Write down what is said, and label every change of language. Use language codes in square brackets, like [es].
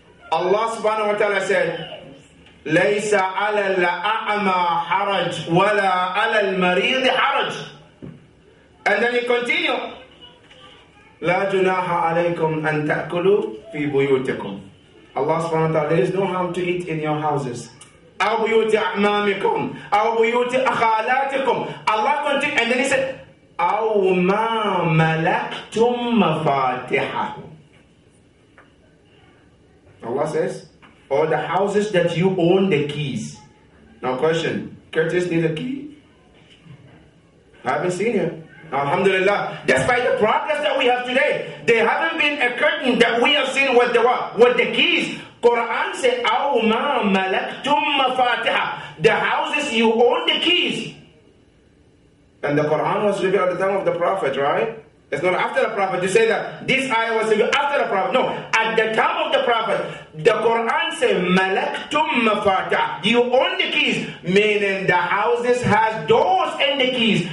[ar] Allah subhanahu wa ta'ala said, لَيْسَ عَلَى الْأَعْمَى حَرَجْ وَلَا عَلَى الْمَرِيضِ حَرَجْ. [en] And then he continued, [ar] لَا جُنَاحَ عَلَيْكُمْ أَن تَأْكُلُوا فِي بُيُوتِكُمْ. [en] Allah subhanahu wa ta'ala, there is no harm to eat in your houses. [ar] أَوْ بُيُوتِ أَعْمَامِكُمْ أَوْ بُيُوتِ أَخَالَاتِكُمْ. [en] Allah continued, and then he said, [ar] أَوْ مَا مَلَكْتُمْ مَفَاتِحَهُ. [en] Allah says, or the houses that you own the keys. Now question, curtains need a key? I haven't seen it. Alhamdulillah. Despite the progress that we have today, there haven't been a curtain that we have seen with the what? With the keys. [ar] Quran says, أَوْ مَا مَلَكْتُمْ مَفَاتِحَ. [en] The houses you own the keys. And the Quran was revealed at the time of the Prophet, right? It's not after the Prophet. You say that this ayah was after the Prophet. No, at the time of the Prophet, the Quran says, [ar] Malaktum Mafata. [en] You own the keys, meaning the houses has doors and the keys.